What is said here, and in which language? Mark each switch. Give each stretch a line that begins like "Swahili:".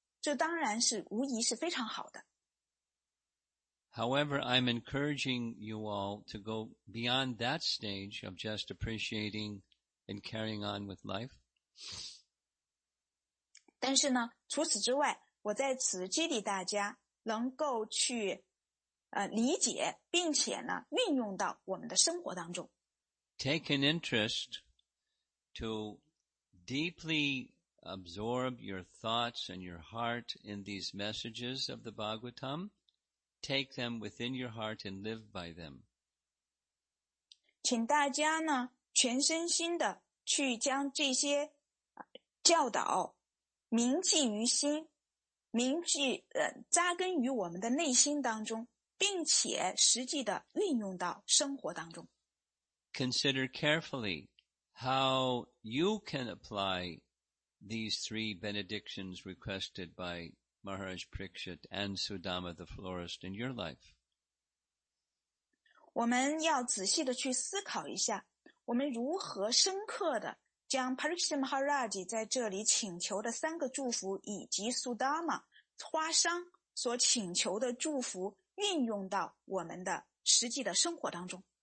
Chinese: 这当然是无疑是非常好的。
English: However, I'm encouraging you all to go beyond that stage of just appreciating and carrying on with life.
Chinese: 但是呢，除此之外，我在此激励大家能够去理解并且呢运用到我们的生活当中。
English: Take an interest to deeply absorb your thoughts and your heart in these messages of the Bhagavatam. Take them within your heart and live by them.
Chinese: 请大家呢全身心的去将这些教导铭记于心，铭记扎根于我们的内心当中，并且实际的运用到生活当中。
English: Consider carefully how you can apply. These three benedictions requested by Maharaj Parikshit and Sudama the florist in your life.
Chinese: 我们要仔细的去思考一下，我们如何深刻的将 Parikshit Maharaj 在这里请求的三个祝福，以及 Sudama 花商所请求的祝福，运用到我们的实际的生活当中。